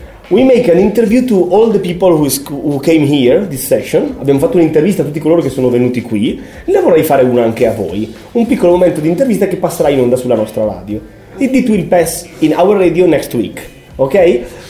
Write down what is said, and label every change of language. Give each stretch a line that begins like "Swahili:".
English: We make an interview to all the people who came here this session.
Italian: Abbiamo fatto un'intervista a tutti coloro che sono venuti qui. Ne vorrei fare una anche a voi. Un piccolo momento di intervista che passerà in onda sulla nostra radio.
English: It will pass in our radio next week. Ok?